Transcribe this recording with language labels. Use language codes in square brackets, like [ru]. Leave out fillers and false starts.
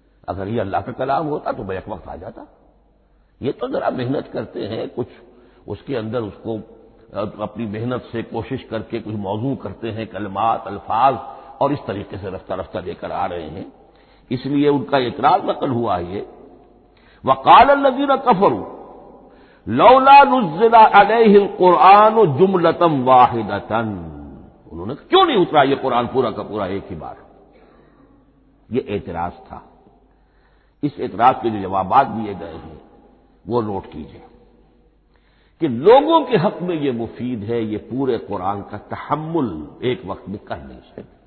[ur] اگر یہ اللہ کا کلام ہوتا تو بیک وقت آ جاتا، یہ تو ذرا محنت کرتے ہیں، کچھ اس کے اندر اس کو اپنی محنت سے کوشش کر کے کچھ موضوع کرتے ہیں، کلمات، الفاظ، اور اس طریقے سے رفتہ رفتہ لے کر آ رہے ہیں، اس لیے ان کا اعتراض نقل ہوا ہے۔ [ar] وقال الذين كفروا لولا نزل عليه القرآن جملة واحدة. [ur] انہوں نے کیوں نہیں اترا یہ قرآن پورا کا پورا ایک ہی بار. یہ اعتراض تھا. اس اعتراض کے جو جوابات دیے گئے ہیں وہ نوٹ کیجئے کہ لوگوں کے حق میں یہ مفید ہے یہ پورے قرآن کا تحمل ایک وقت میں کرنے سے.